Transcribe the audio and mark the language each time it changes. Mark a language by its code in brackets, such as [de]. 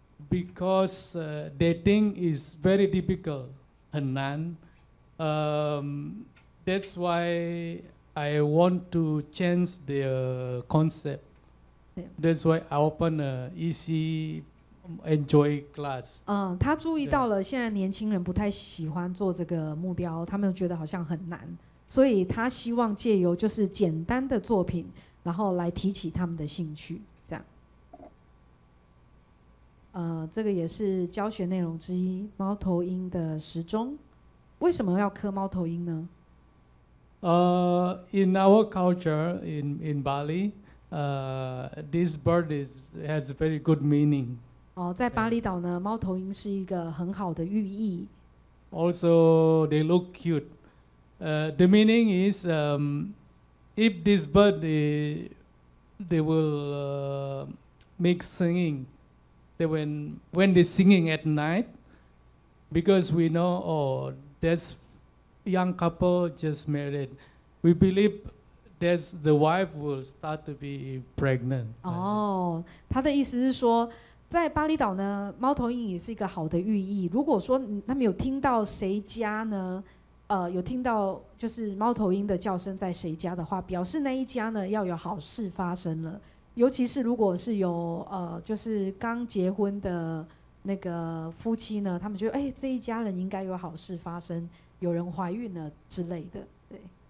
[en] Because they think it's very difficult, [zh] 很难 [en] That's why I want to change the concept. That's why I open a easy enjoy class. [zh] 他注意到了现在年轻人不太喜欢做这个木雕，他们觉得好像很难，所以他希望借由就是简单的作品，然后来提起他们的兴趣。这个也是教学内容之一，猫头鹰的时钟。为什么要刻猫头鹰呢？ [en] In our culture in Bali, this bird is has a very good meaning. [zh] 在巴厘岛呢，猫头鹰是一个很好的寓意。 [en] Also, they look cute. The meaning is, if this bird they will make singing. That when they're singing at night, because we know, that's young couple just married. We believe that the wife will start to be pregnant. [zh] 他的意思是说，在巴厘岛呢，猫头鹰也是一个好的寓意。如果说他们有听到谁家呢，有听到就是猫头鹰的叫声在谁家的话，表示那一家呢要有好事发生了。尤其是如果是有就是刚结婚的那个夫妻呢，他们觉得这一家人应该有好事发生，有人怀孕了之类的，对。